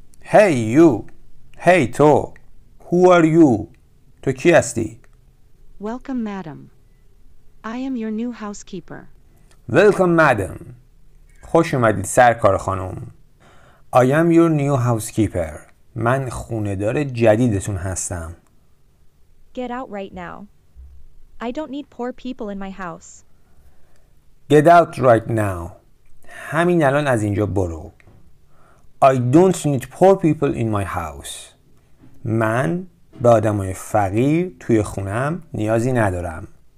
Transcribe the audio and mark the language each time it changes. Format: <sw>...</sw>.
<en>Hey, you. Hey, to. Who are you?</en> <fa>تو کی هستی؟</fa> <en>Welcome, madam. I am your new housekeeper. Welcome, madam.</en> <fa>خوش اومدید سرکار خانم.</fa> <en>I am your new housekeeper.</en> <fa>من خونه‌دار جدیدتون هستم.</fa> <en>Get out right now. I don't need poor people in my house. Get out right now.</en> <fa>همین الان از اینجا برو.</fa> <en>I don't need poor people in my house.</en> <fa>من به آدمای فقیر توی خونم نیازی ندارم.</fa>